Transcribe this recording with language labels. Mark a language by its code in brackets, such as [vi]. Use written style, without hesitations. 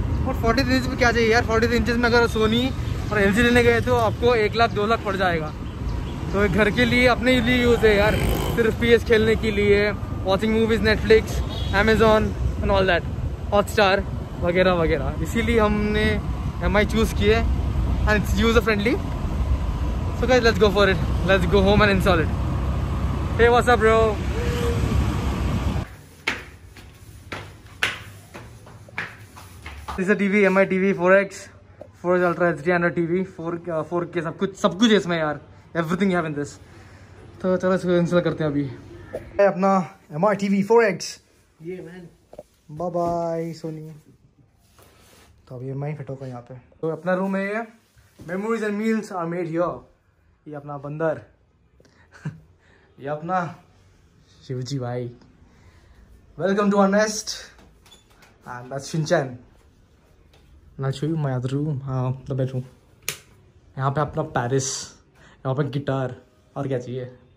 [hi] और 43 इंच में क्या चाहिए यार, 43 इंचेस में अगर सोनी और LG लेने गए तो आपको 1-2 लाख पड़ जाएगा। तो घर के लिए अपने लिए यूज है यार, सिर्फ PS खेलने के लिए, [en] watching movies, [hi] Netflix, Amazon [en] and all that, [hi] Hotstar वगैरह वगैरह, इसीलिए हमने MI चूज़ किए [en] and it's user friendly. So guys, let's go for it, let's go home and install it. Hey, what's up bro? This is a TV, MI TV 4X, 4X Ultra HD 300 TV, 4K, [hi] sab kuch hai isme yaar, [en] everything you have in this. [hi] To chalo isko install karte hain abhi. Hey, apna MI TV 4X. [en] Yeah man. Bye bye Sony. [hi] To abhi MI fito ka yahan pe. To apna room hai ye. [en] Memories and meals are made here. [hi] ये अपना बंदर, ये अपना शिवजी भाई, [en] welcome to our nest, [hi] and that's Shinchan. [en] now show you my other room, [hi] हाँ the bedroom, यहाँ पे अपना पैरिस, यहाँ पे गिटार, और क्या चाहिए।